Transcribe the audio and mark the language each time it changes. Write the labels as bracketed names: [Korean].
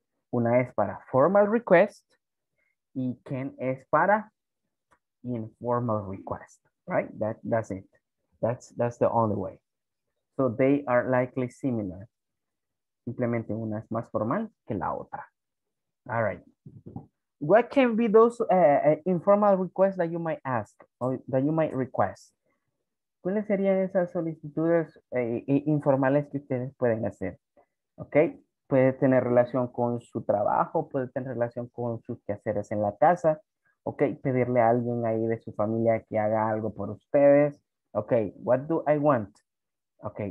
[Spanish] Una es para [English] formal request y can es para informal request. Right? That's it. That's the only way. So they are likely similar. [Spanish] Simplemente una es más formal que la otra. [English] All right. What can be those informal requests that you might ask or that you might request? [Spanish] ¿Cuáles serían esas solicitudes informales que ustedes pueden hacer? ¿Ok? Puede tener relación con su trabajo, puede tener relación con sus quehaceres en la casa. ¿Ok? Pedirle a alguien ahí de su familia que haga algo por ustedes. ¿Ok? [English] What do I want? [Spanish] ¿Ok?